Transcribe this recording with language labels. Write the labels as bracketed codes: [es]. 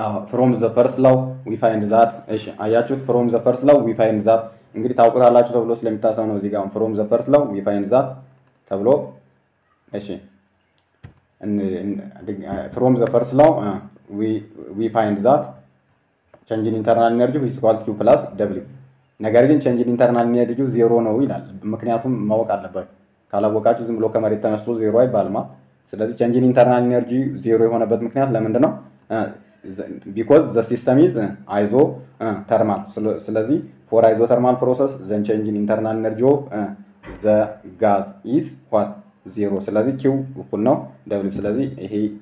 [en] from the first law we find that [am] እሺ አያችሁት [en] from the first law we find that [am] እንግዲህ ታውቁታላችሁ ተብሎ ስለሚታሰብ ነው እዚህ ጋር [en] from the first law we find that [am] ተብሎ እሺ [en] and from the first law we find that change in internal energy which is equal to Q plus W. [am] ነገር ግን [en] change in internal energy zero [am] ነው ይላል ምክንያቱም ማወቅ አለበት ካላወቃችሁ ዝም ብሎ ከመሬት ተነስቶ zero አይባልማ ስለዚህ change in internal energy zero የሆነበት ምክንያት ለምንድን ነው [en] because the system is isothermal [am] ስለዚህ [en] for isothermal process then change in internal energy of the gas is what zero [am] ስለዚህ Q እኩል ነው W ስለዚህ ይሄ